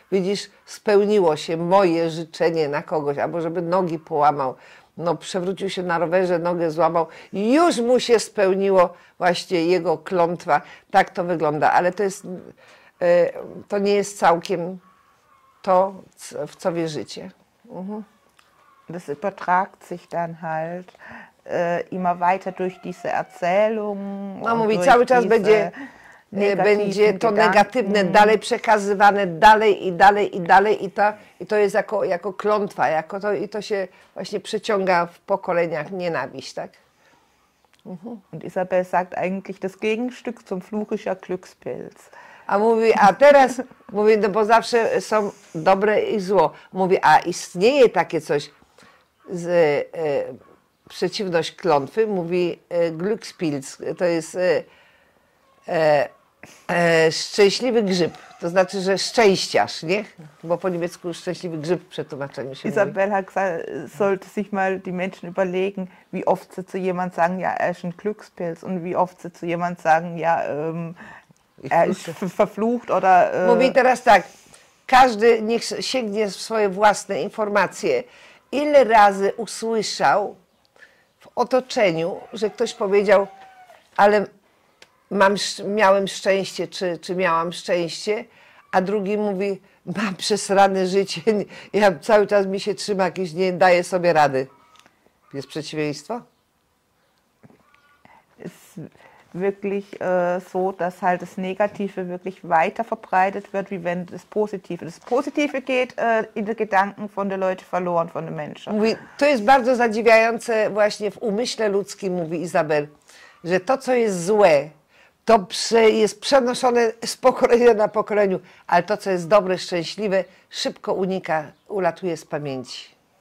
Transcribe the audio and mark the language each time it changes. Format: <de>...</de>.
<pl>Widzisz, spełniło się moje życzenie na kogoś, albo żeby nogi połamał. No, przewrócił się na rowerze, nogę złamał. Już mu się spełniło właśnie jego klątwa. Tak to wygląda, ale to jest, to nie jest całkiem to, w co wierzycie.</pl> <de>Das übertragt sich dann halt immer weiter durch diese Erzählung.</de> <pl>No mówi, cały czas będzie będzie to negatywne dalej przekazywane, dalej i dalej i dalej i, ta, i to jest jako, jako klątwa, jako to, i to się właśnie przeciąga w pokoleniach nienawiść, tak?</pl> <de>Und Isabel sagt eigentlich, das Gegenstück zum Fluch ist ja Glückspilz.</de> <pl>A mówi, a teraz, mówi, no bo zawsze są dobre i zło. Mówi, a istnieje takie coś, z, przeciwność klątwy, mówi Glückspilz, to jest szczęśliwy grzyb, to znaczy, że szczęściarz, nie? Bo po niemiecku szczęśliwy grzyb w przetłumaczeniu się Isabel mówi.</pl> <de>Isabel sollte sich mal die Menschen überlegen, wie oft sie zu jemand sagen, ja, er ist ein Glückspilz und wie oft sie zu jemand sagen, ja, er ist verflucht oder...</de> <pl>Mówi teraz tak, każdy niech sięgnie w swoje własne informacje, ile razy usłyszał w otoczeniu, że ktoś powiedział, ale mam, miałem szczęście, czy miałam szczęście, a drugi mówi, mam przesrane życie, ja cały czas mi się trzyma, jakiś nie daję sobie rady. Jest przeciwieństwo?</pl> <de>Jest wirklich so, dass halt das Negative wirklich weiter verbreitet wird, wie wenn das Positive geht in die Gedanken von der Leute verloren, von den Menschen.</de> <pl>Mówi, to jest bardzo zadziwiające właśnie w umyśle ludzkim, mówi Isabel, że to, co jest złe, to jest przenoszone z pokolenia na pokoleniu, ale to, co jest dobre, szczęśliwe, szybko unika, ulatuje z pamięci.</pl>